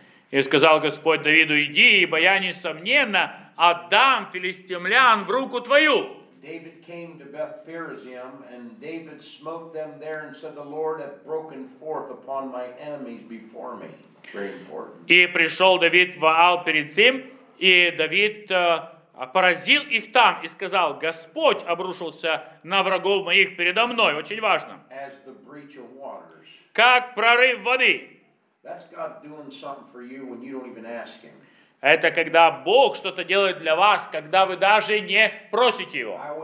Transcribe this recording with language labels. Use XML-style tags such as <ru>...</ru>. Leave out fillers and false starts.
<ru>И сказал Господь Давиду, иди, ибо я, несомненно, отдам филистимлян в руку твою.</ru> <en>David came to Beth-Pirazim, and David smote them there, and said, "The Lord hath broken forth upon my enemies before me." Very important.</en> <ru>И пришел Давид в Аал-Перицим, и Давид поразил их там и сказал: Господь обрушился на врагов моих передо мной. Очень важно.</ru> <en>As the breach of waters.</en> <ru>Как прорыв воды.</ru> <en>That's God doing something for you when you don't even ask Him.</en> <ru>Это когда Бог что-то делает для вас, когда вы даже не просите Его.</ru>